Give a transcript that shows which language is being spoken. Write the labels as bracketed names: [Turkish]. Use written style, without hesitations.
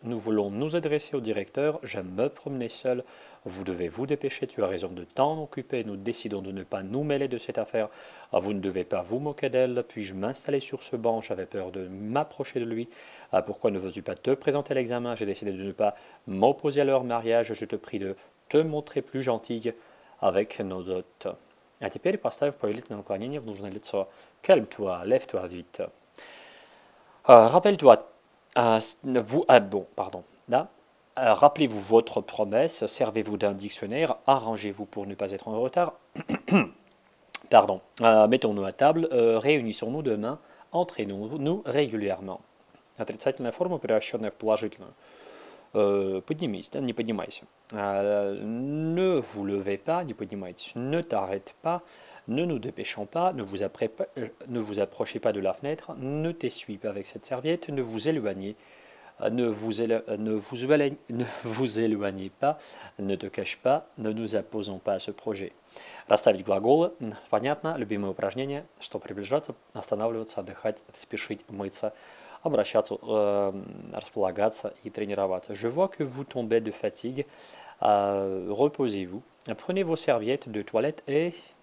[French] Nous voulons nous adresser au directeur. J'aime me promener seul. Vous devez vous dépêcher. Tu as raison de t'en occuper. Nous décidons de ne pas nous mêler de cette affaire. Vous ne devez pas vous moquer d'elle. Puis-je m'installer sur ce banc? J'avais peur de m'approcher de lui. Pourquoi ne veux-tu pas te présenter à l'examen? J'ai décidé de ne pas m'opposer à leur mariage. Je te prie de te montrer plus gentille avec nos hôtes. [Russian] А теперь поставь повелительное наклонение в нужное лицо. [French] Calme-toi, lève-toi vite. Rappelle-toi, rappelez-vous votre promesse, servez-vous d'un dictionnaire, arrangez-vous pour ne pas être en retard. Pardon, mettons-nous à table, réunissons-nous demain, entraînons-nous régulièrement. [Russian] Отрицательная форма, превращенная в положительную. Поднимись, да, не поднимайся. [French] Ne vous levez pas, [Russian] не поднимайтесь, [French] ne t'arrête pas. Ne nous dépêchons pas, ne vous approchez pas de la fenêtre, ne t'essuie pas avec cette serviette, ne vous éloignez pas, ne te cache pas, ne nous opposons pas à ce projet. [Russian] Расставить глаголы, понятно, любимое упражнение, что приближаться, останавливаться, отдыхать, спешить, мыться, обращаться, располагаться и тренироваться. [French] Je vois que vous tombez de fatigue, reposez-vous, prenez vos serviettes de toilette et...